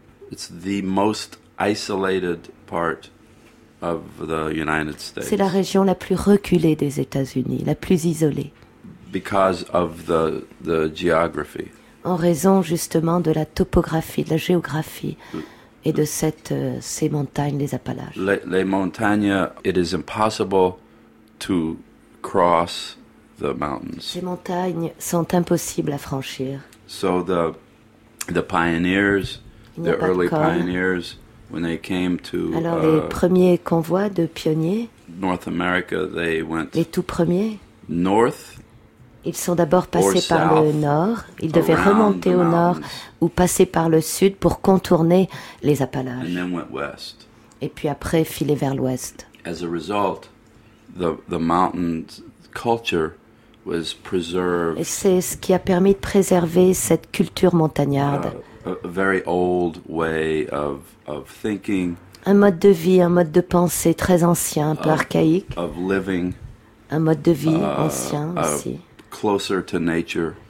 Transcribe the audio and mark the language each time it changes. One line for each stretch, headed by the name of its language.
English: It's the most isolated part of the United States.
French: C'est la région la plus reculée des États-Unis, la plus isolée.
English: Because of the geography.
French: En raison justement de la topographie, de la géographie et de ces montagnes, les Appalaches. Les montagnes,
English: it is impossible to cross the mountains.
French: Ces montagnes sont impossibles à franchir.
English: So the pioneers, the early pioneers, when they came to.
French: Alors les premiers convois de pionniers.
English: North America, they went.
French: Les tout premiers.
English: North.
French: Ils sont d'abord passés par le nord, ils devaient remonter au nord ou passer par le sud pour contourner les Appalaches.
English: And then went west.
French: Et puis après filer vers l'ouest.
English: As a result, the mountain culture was preserved.
French: Et c'est ce qui a permis de préserver cette culture montagnarde.
English: A very old way of thinking.
French: Un mode de vie, un mode de pensée très ancien, un peu archaïque.
English: Of living.
French: Un mode de vie ancien aussi.
English: Closer to nature.